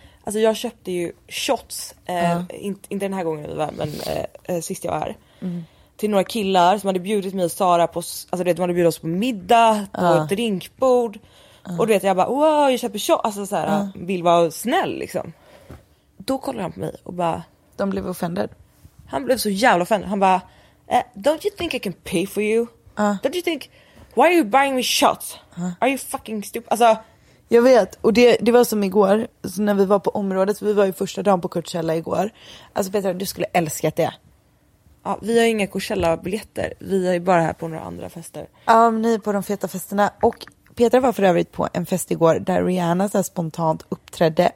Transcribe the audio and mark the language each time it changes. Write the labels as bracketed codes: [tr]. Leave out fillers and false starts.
[sv] Alltså jag köpte ju shots, inte den här gången vi var, men sist jag var här. Mm. Till några killar som hade bjudit mig och Sara på, alltså du vet, de hade bjudit oss på middag, på ett drinkbord. Och du vet, jag bara, [en] wow, [sv] jag köper shots, alltså så här, vill vara snäll liksom. Då kollade han på mig och bara... De blev offended. Han blev så jävla offended. Han bara, [en] don't you think I can pay for you? Don't you think, why are you buying me shots? Are you fucking stupid? [sv] Alltså... Jag vet, och det var som igår så när vi var på området. Vi var ju första dagen på Coachella igår. Alltså Petra, du skulle älska det. Ja, vi har ju inga Coachella-biljetter. Vi är ju bara här på några andra fester. Ja, ni är på de feta festerna. Och Petra var för övrigt på en fest igår där Rihanna så spontant uppträdde.